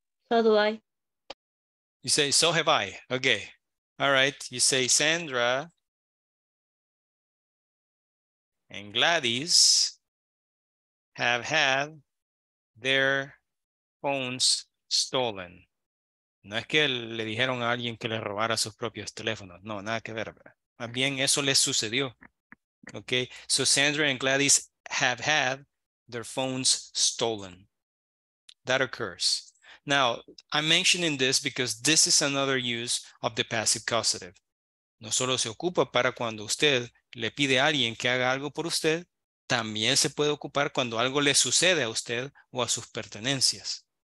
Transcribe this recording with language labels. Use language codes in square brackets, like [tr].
[en] So do I. You say, so have I. Okay, all right. You say Sandra and Gladys have had their phones stolen. [es] No es que le dijeron a alguien que le robara sus propios teléfonos. No, nada que ver. Más bien, eso les sucedió. Okay. [en] So Sandra and Gladys have had their phones stolen. That occurs. Now, I'm mentioning this because this is another use of the passive causative. [es] No solo se ocupa para cuando usted le pide a alguien que haga algo por usted, también se puede ocupar cuando algo le sucede a usted o a sus pertenencias.